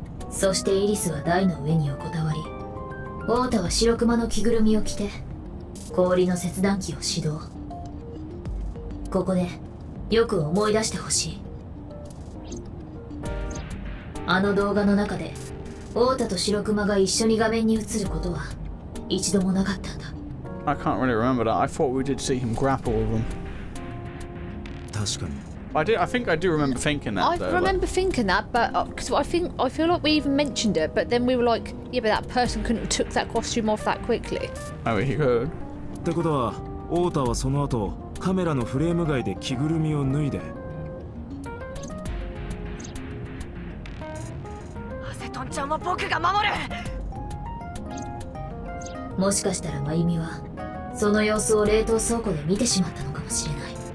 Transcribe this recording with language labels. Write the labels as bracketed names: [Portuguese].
[Japanese] そしてイリスは台の上に横たわり、オータは白熊の着ぐるみを着て、氷の切断機を始動。ここで、よく思い出してほしい。あの動画の中で、オータと白熊が一緒に画面に映ることは、一度もなかったんだ。 [English] I can't really remember that. I thought we did see him grapple with him. [Japanese] 確かに。 [English] I think I do remember thinking that. I feel like we even mentioned it, but then we were like, yeah, but that person couldn't have took that costume off that quickly. Oh, he could. [Japanese] ってことは、オータはその後、カメラのフレーム外で着ぐるみを脱いで。アセトンちゃんは僕が守る。もしかしたら真由美はその様子を冷凍倉庫で見てしまったのかもしれない。